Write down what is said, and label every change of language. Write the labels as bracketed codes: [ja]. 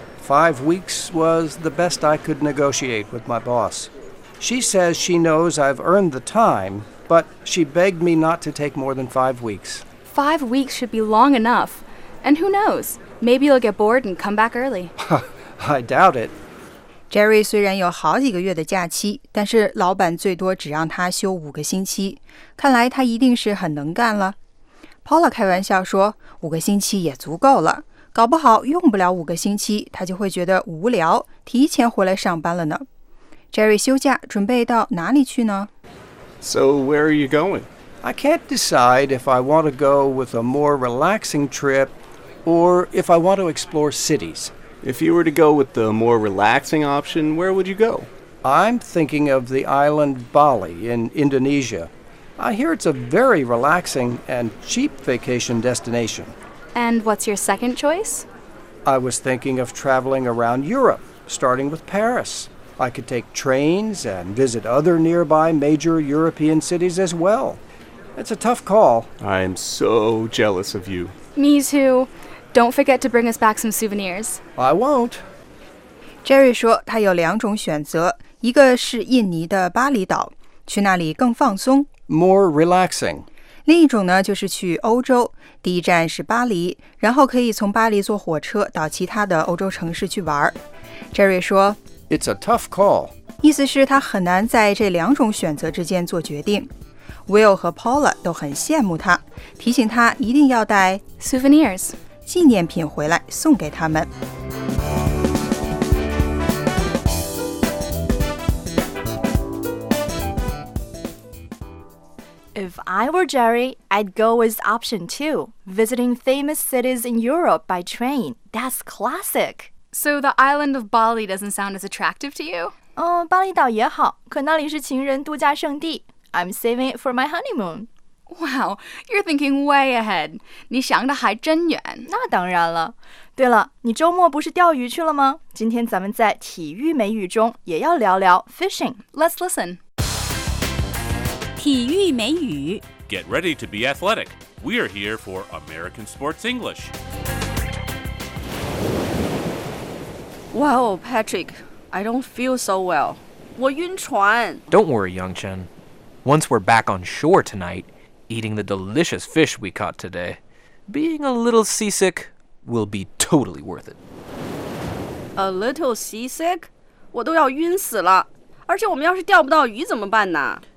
[en] 5 weeks was the best I could negotiate with my boss. She says she knows I've earned the time, but she begged me not to take more than 5 weeks. 5 weeks should be long enough. And who knows? Maybe you'll get bored and come back early. I doubt it. [zh] Jerry 虽然有好几个月的假期，但是老板最多只让他休5个星期。看来他一定是很能干了。Paula 开玩笑说，5个星期也足够了。搞不好用不了5个星期，他就会觉得无聊，提前回来上班了呢。 Jerry 休假，准备到哪里去呢？ [en] So where are you going? I can't decide if I want to go with a more relaxing trip or if I want to explore cities. If you were to go with the more relaxing option, where would you go? I'm thinking of the island Bali in Indonesia. I hear it's a very relaxing and cheap vacation destination. And what's your second choice? I was thinking of traveling around Europe, starting with Paris. I could take trains and visit other nearby major European cities as well. It's a tough call. I'm so jealous of you. Me too. Don't forget to bring us back some souvenirs. I won't. [zh] Jerry 说他有两种选择，一个是印尼的巴厘岛，去那里更放松。 [en] More relaxing. [zh] 另一种呢，就是去欧洲，第一站是巴黎，然后可以从巴黎坐火车到其他的欧洲城市去玩。 Jerry 说 [en] It's a tough call. [zh] 意思是他很难在这两种选择之间做决定。 Will 和 Paula 都很羡慕他，提醒他一定要带 [en] souvenirs [zh] 纪念品回来送给他们。 [en] If I were Jerry, I'd go with option 2, visiting famous cities in Europe by train. That's classic. So the island of Bali doesn't sound as attractive to you? [zh] 巴厘岛也好，可那里是情人度假胜地。 [en] I'm saving it for my honeymoon. Wow, you're thinking way ahead. [zh] 你想的还真远。那当然了。对了，你周末不是钓鱼去了吗？今天咱们在体育美语中也要聊聊 fishing. [en] Let's listen. [zh] 体育美语。 [en] Get ready to be athletic. We are here for American Sports English. Wow, Patrick, I don't feel so well. [zh] 我晕船。 [en] Don't worry, Yangchen. Once we're back on shore tonight, eating the delicious fish we caught today, being a little seasick will be totally worth it. A little seasick? [zh] 我都要晕死了。而且我们要是钓不到鱼怎么办呢？